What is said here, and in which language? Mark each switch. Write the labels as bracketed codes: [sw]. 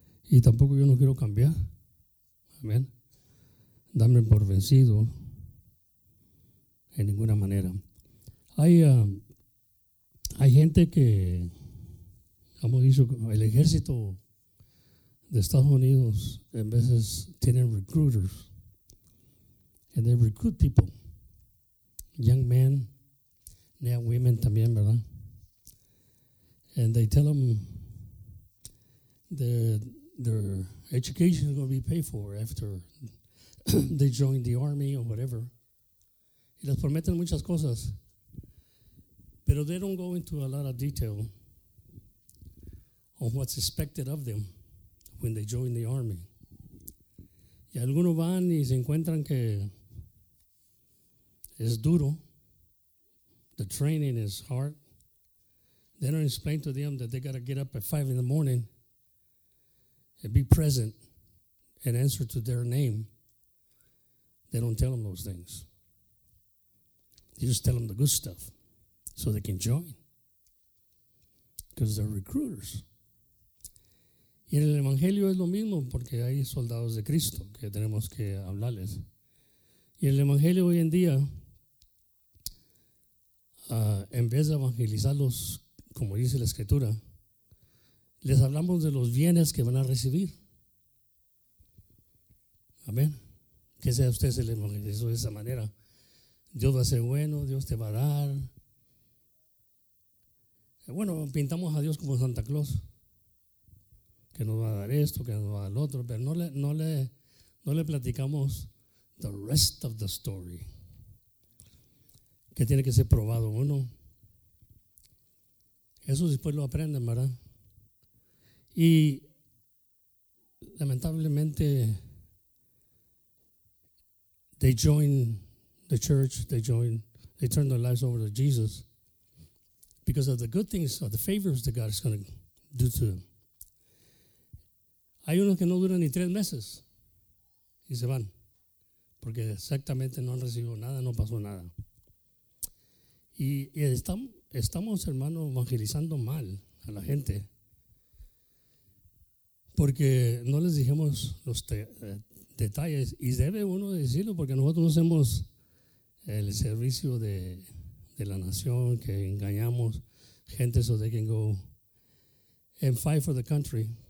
[es] Y tampoco yo no quiero cambiar. Amén. Dame por vencido en ninguna manera. Hay gente que hizo el ejército de Estados Unidos en veces tienen [en] recruiters and they recruit people, young men, now women [es] también, ¿verdad? [en] And they tell them their education is going to be paid for after they join the army or whatever. [es] Y les prometen muchas cosas, pero [en] they don't go into a lot of detail on what's expected of them when they join the army. [es] Y algunos van y se encuentran que es duro. [en] The training is hard. They don't explain to them that they got to get up at 5 in the morning and be present and answer to their name. They don't tell them those things. They just tell them the good stuff so they can join. Because they're recruiters. [es] Y en el Evangelio es lo mismo porque hay soldados de Cristo que tenemos que hablarles. Y en el Evangelio hoy en día, en vez de evangelizarlos, como dice la Escritura, les hablamos de los bienes que van a recibir. Amén. Que sea usted el evangelizó de esa manera. Dios va a ser bueno, Dios te va a dar. Bueno, pintamos a Dios como Santa Claus. Que nos va a dar esto, que nos va a dar lo otro, pero no le platicamos [en] the rest of the story. [es] Que tiene que ser probado uno. Eso después lo aprenden, ¿verdad? Y lamentablemente [en] they join the church, they turn their lives over to Jesus because of the good things or the favors that God is going to do to them. [es] Hay unos que no duran ni tres meses y se van porque exactamente no han recibido nada, no pasó nada. Y estamos, hermanos, evangelizando mal a la gente porque no les dijimos los detalles y debe uno decirlo porque nosotros no hacemos el servicio de la nación que engañamos gente [en] so they can go and fight for the country.